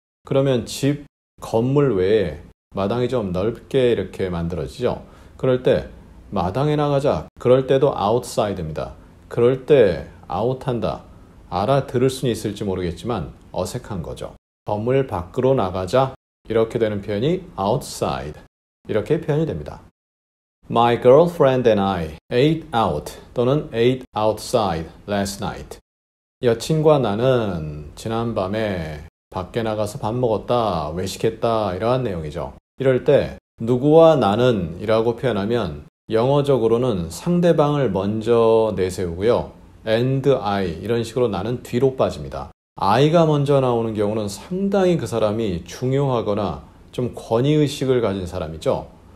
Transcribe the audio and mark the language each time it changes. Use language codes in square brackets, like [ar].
[ko] 그러면 집 건물 외에 마당이 좀 넓게 이렇게 만들어지죠. 그럴 때 마당에 나가자. 그럴 때도 outside입니다. 그럴 때 out한다. 알아들을 수는 있을지 모르겠지만 어색한 거죠. 건물 밖으로 나가자. 이렇게 되는 표현이 outside. 이렇게 표현이 됩니다. [en] My girlfriend and I ate out [ko] 또는 [en] ate outside last night. [ko] 여친과 나는 지난밤에 밖에 나가서 밥 먹었다, 외식했다 이러한 내용이죠. 이럴 때 누구와 나는 이라고 표현하면 영어적으로는 상대방을 먼저 내세우고요. [en] and I [ko] 이런 식으로 나는 뒤로 빠집니다. I가 먼저 나오는 경우는 상당히 그 사람이 중요하거나 좀 권위의식을 가진 사람이죠.